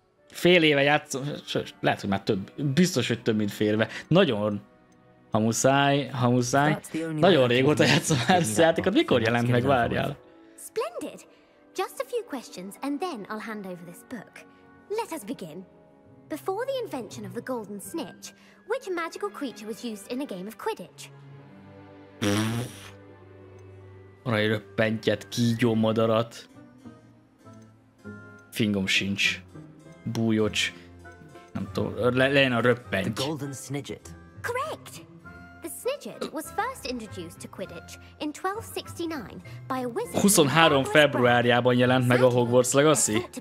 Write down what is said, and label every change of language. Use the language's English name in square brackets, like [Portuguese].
[Hungarian] Fél éve játszom, lehet, hogy már több, biztos, hogy több, mint fél éve. Nagyon, ha muszáj. Nagyon régóta játszom ezt a játékot, mikor jelent meg, várjál. [English] Splendid. Just a few questions and then I'll hand over this book. Let us begin. Before the invention of the golden snitch, which magical creature was used in a game of Quidditch? [Hungarian] Arra egy röppentyet, kígyó madarat. Fingom sincs. Bújocs. Nem tudom, legyen a röppenty. [English] The golden snidget. Correct! The Snidget was first introduced to Quidditch in 1269 by a wizard. [Hungarian] 23 februárjában jelent meg a Hogwarts Legacy.